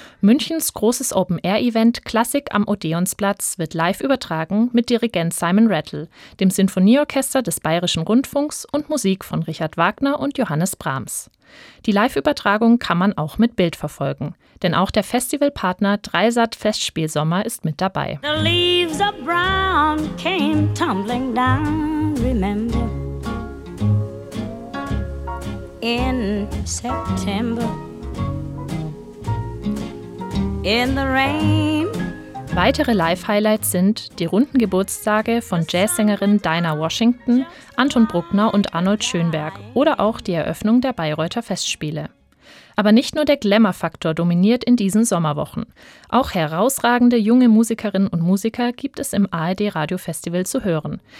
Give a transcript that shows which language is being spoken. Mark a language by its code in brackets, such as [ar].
[de] Münchens großes Open-Air-Event Klassik am Odeonsplatz wird live übertragen mit Dirigent Simon Rattle, dem Sinfonieorchester des Bayerischen Rundfunks und Musik von Richard Wagner und Johannes Brahms. Die Live-Übertragung kann man auch mit Bild verfolgen, denn auch der Festivalpartner Dreisat Festspielsommer ist mit dabei. [en] The leaves of brown came tumbling down, remember? In September, in the rain. [de] Weitere Live-Highlights sind die runden Geburtstage von Jazzsängerin Dinah Washington, Anton Bruckner und Arnold Schönberg oder auch die Eröffnung der Bayreuther Festspiele. Aber nicht nur der Glamour-Faktor dominiert in diesen Sommerwochen. Auch herausragende junge Musikerinnen und Musiker gibt es im ARD-Radio-Festival zu hören.